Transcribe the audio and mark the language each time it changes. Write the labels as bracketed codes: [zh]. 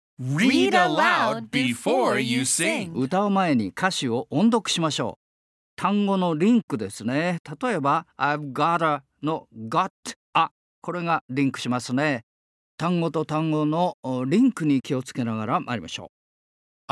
[en] Read aloud before you sing. [ja] 歌う前に歌詞を音読しましょう。単語のリンクですね。例えば、 [en] I've got a [ja] の [en] got a。 [ja] これがリンクしますね。単語と単語のリンクに気をつけながら参りましょう。